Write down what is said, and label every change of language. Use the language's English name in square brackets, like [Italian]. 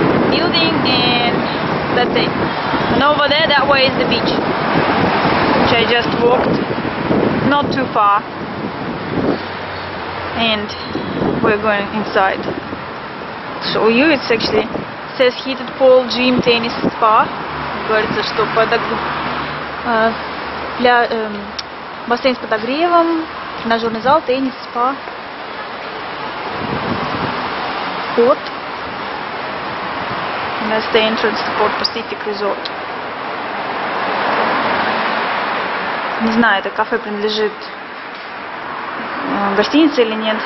[English] Building, and that's it. And over there, that way is the beach, which I just walked, not too far. And we're going inside. Show you, it's actually says heated pool, gym, tennis, spa. [Russian] Говорится, что для бассейн с подогревом, тренажерный зал, теннис, спа. [English] Port. And that's the entrance to Port Pacific Resort. [Russian] Не знаю, это кафе принадлежит гостинице или нет.